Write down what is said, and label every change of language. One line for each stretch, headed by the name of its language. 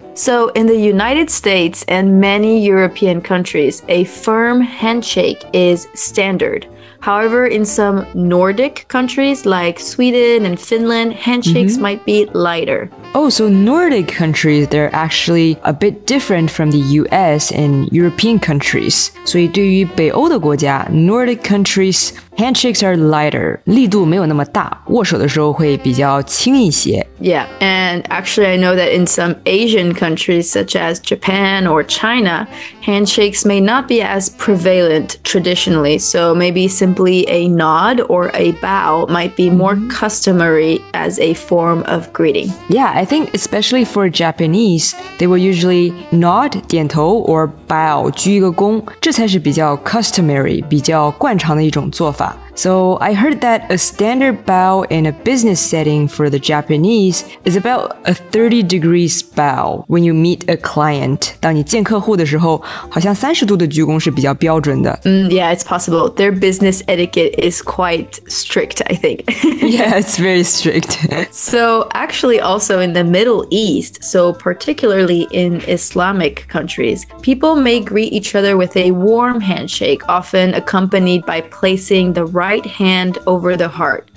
English: So in the United States and many European countries, a firm handshake is standard. However, in some Nordic countries like Sweden and Finland, handshakes might be lighter. Oh, so Nordic countries, they're actually a bit different from the US and European countries.
Chinese: 所以对于北欧的国家
English: Nordic countries, handshakes are lighter.
Chinese: 力度没有那么大握手的时候会比较轻一些
English: Yeah, and actually I know that in some Asian countries such as Japan or China, handshakes may not be as prevalent traditionally. So maybe simply a nod or a bow might be more customary as a form of greeting. Yeah, I think especially for Japanese, they will usually nod,
Chinese: 点头
English: or bow,
Chinese: 鞠一个躬这才是比较
English: customary,
Chinese: 比较惯常的一种做法。
English: So I heard that a standard bow in a business setting for the Japanese is about a 30 degrees bow when you meet a client.
Chinese: 当你见客户的时候好像30度的鞠躬是比较标准的。
English: Yeah, it's possible. Their business etiquette is quite strict, I think. Yeah, it's very strict. So actually also in the Middle East, so particularly in Islamic countries, people may greet each other with a warm handshake, often accompanied by placing the right hand over the heart.